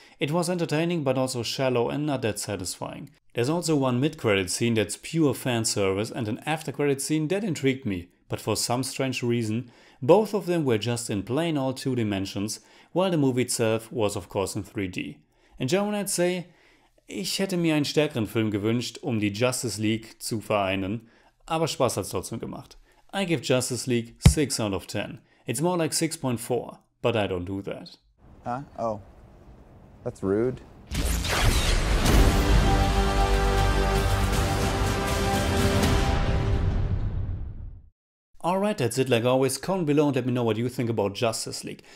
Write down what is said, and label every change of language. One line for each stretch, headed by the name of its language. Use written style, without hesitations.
English: It was entertaining, but also shallow and not that satisfying. There's also one mid-credit scene that's pure fan service and an after-credit scene that intrigued me, but for some strange reason, both of them were just in plain old 2 dimensions, while the movie itself was of course in 3D. In German I'd say,
German: ich hätte mir einen stärkeren Film gewünscht, um die Justice League zu vereinen, aber Spaß hat's trotzdem gemacht.
English: I give Justice League 6 out of 10. It's more like 6.4, but I don't do that. Huh? Oh. That's rude. Alright, that's it. Like always, comment below and let me know what you think about Justice League.